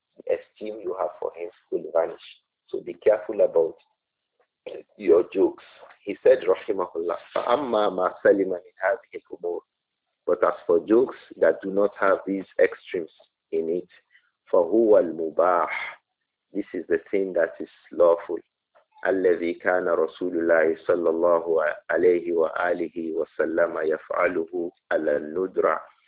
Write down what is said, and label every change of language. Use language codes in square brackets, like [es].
[en] The esteem you have for him will vanish. So be careful about your jokes. He said, [ar] رَحِمَهُ اللَّهُ, فَأَمَّا مَا سَلِمَ مِنْ هَذِهِ الْأُمُورِ. [en] But as for jokes that do not have these extremes in it, [ar] فَهُوَ الْمُبَاحِ. [en] This is the thing that is lawful. [ar] الَّذِي كَانَ رَسُولُ اللَّهِ صَلَّى اللَّهُ عَلَيْهِ وَآلِهِ وَسَلَّمَ يَفْعَلُهُ عَلَى النُّدْرَةِ.